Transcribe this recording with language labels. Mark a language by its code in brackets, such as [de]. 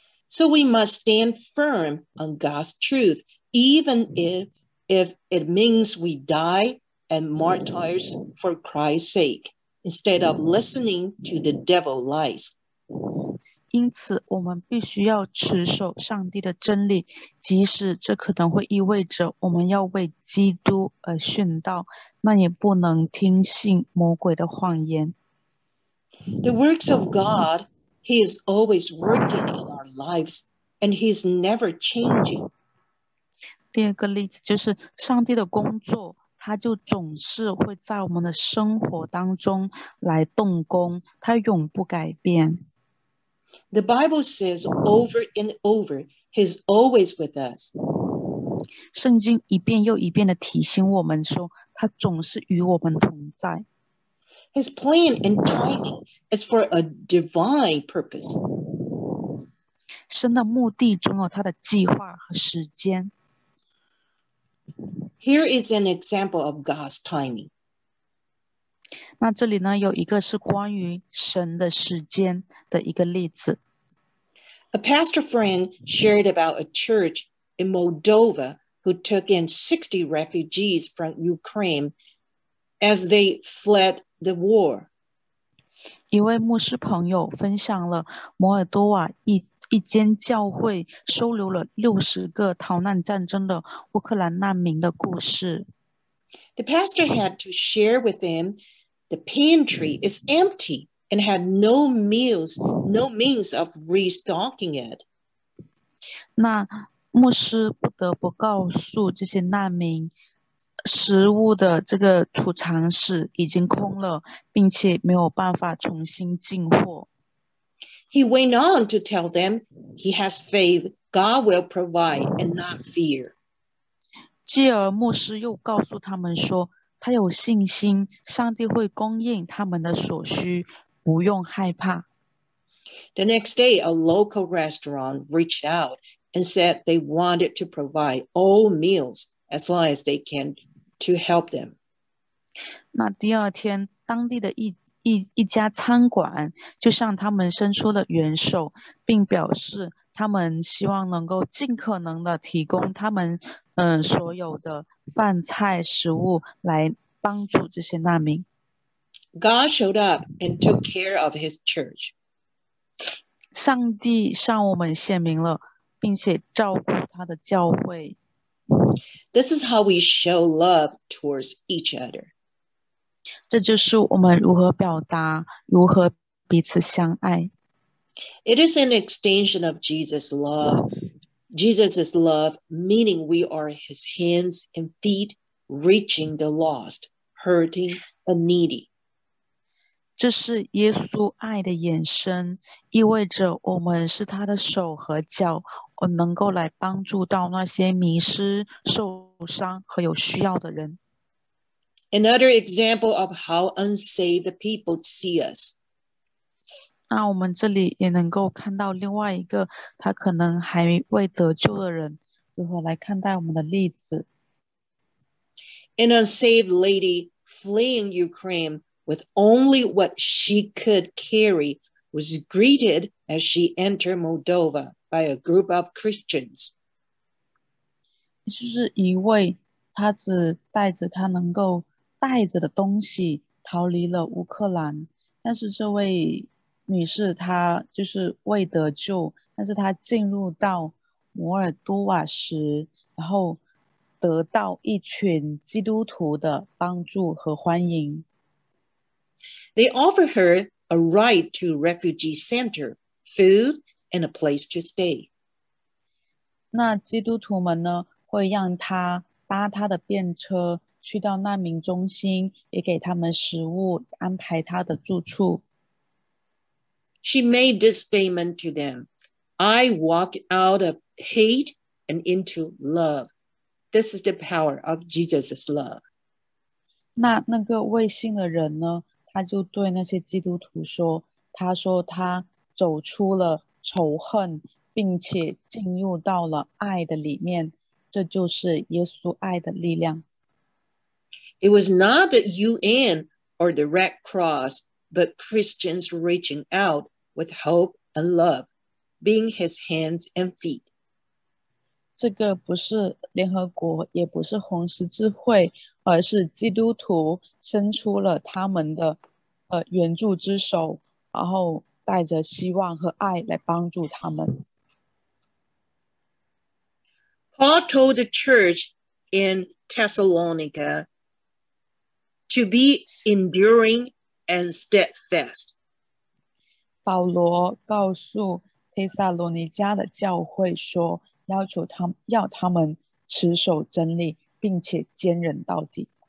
[en] So we must stand firm on God's truth, even if it means we die and martyrs for Christ's sake, instead of listening to the devil's lies. [zh] 因此，我们必须要持守上帝的真理，即使这可能会意味着我们要为基督而殉道，那也不能听信魔鬼的谎言。 [en] The works of God, He is always working in our lives, and He is never changing. [zh] 第二个例子就是上帝的工作，他就总是会在我们的生活当中来动工，他永不改变。 [en] The Bible says over and over, He's always with us. [zh] 圣经一遍又一遍地提醒我们说，他总是与我们同在。 [en] His plan and timing is for a divine purpose. [zh] 神的目的总有他的计划和时间。 [en] Here is an example of God's timing. [zh] 那这里呢，有一个是关于神的时间的一个例子。 [en] A pastor friend shared about a church in Moldova who took in 60 refugees from Ukraine as they fled the war. [zh] 一位牧师朋友分享了摩尔多瓦一间教会收留了60个逃难战争的乌克兰难民的故事。 [en] The pastor had to share with him the pantry is empty and had no meals, no means of restocking it. [zh] 那牧师不得不告诉这些难民，食物的这个储藏室已经空了，并且没有办法重新进货。 [en] He went on to tell them he has faith God will provide and not fear. [zh] 继而牧师又告诉他们说，他有信心上帝会供应他们的所需，不用害怕。 [en] The next day, a local restaurant reached out and said they wanted to provide all meals as long as they can to help them. [zh] 那第二天，当地的一家餐馆就向他们伸出了援手，并表示他们希望能够尽可能的提供他们所有的饭菜食物来帮助这些难民。 [en] God showed up and took care of his church. [zh] 上帝向我们显明了，并且照顾他的教会。 [en] This is how we show love towards each other. [zh] 这就是我们如何表达，如何彼此相爱。 [en] It is an extension of Jesus' love. Jesus' love, meaning we are his hands and feet, reaching the lost, hurting, and needy. [zh] 这是耶稣爱的延伸，意味着我们是他的手和脚，我能够来帮助到那些迷失、受伤和有需要的人。 [en] Another example of how unsaved people see us. [zh] 那我们这里也能够看到另外一个他可能还未得救的人如何来看待我们的例子。 [en] An unsaved lady fleeing Ukraine with only what she could carry was greeted as she entered Moldova by a group of Christians. [zh] 就是一位他只带着他能够带着的东西逃离了乌克兰，但是这位女士她就是未得救，但是她进入到摩尔多瓦时，然后得到一群基督徒的帮助和欢迎。 [en] They offer her a ride to refugee center, food, and a place to stay. [zh] 那基督徒们呢，会让她搭她的便车去到难民中心，也给他们食物，安排她的住处。 [en] She made this statement to them, I walk out of hate and into love. This is the power of Jesus' love. [zh] 那个未信的人呢，他就对那些基督徒说，他说他走出了仇恨，并且进入到了爱的里面，这就是耶稣爱的力量。 [en] It was not the UN or the Red Cross, but Christians reaching out with hope and love, being his hands and feet. [zh] 这个不是联合国，也不是红十字会，而是基督徒伸出了他们的援助之手，然后带着希望和爱来帮助他们。 [en] Paul told the church in Thessalonica to be enduring and steadfast. [zh] 保罗告诉提撒罗尼迦的教会说，要求他们要他们持守真理，并且坚忍到底。